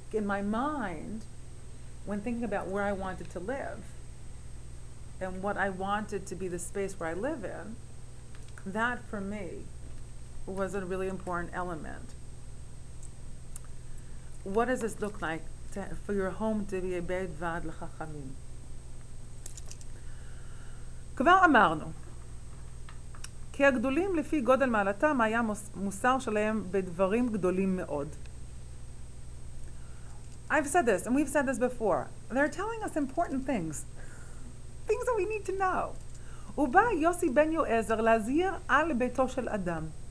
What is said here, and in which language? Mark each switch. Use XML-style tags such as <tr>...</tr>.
<en>In my mind, when thinking about where I wanted to live and what I wanted to be the space where I live in, that for me was a really important element. What does this look like for your home to be a</en> <he>Beit Vad L'Chachamim? Kvar amarnu. כי הגדולים לפי גודל מעלתם היה מוסר שלהם בדברים גדולים מאוד.</he> <en>I've said this, and we've said this before. They're telling us important things. Things that we need to know.</en> <he>הוא בא יוסי בן יועזר להזהיר על ביתו של אדם.</he>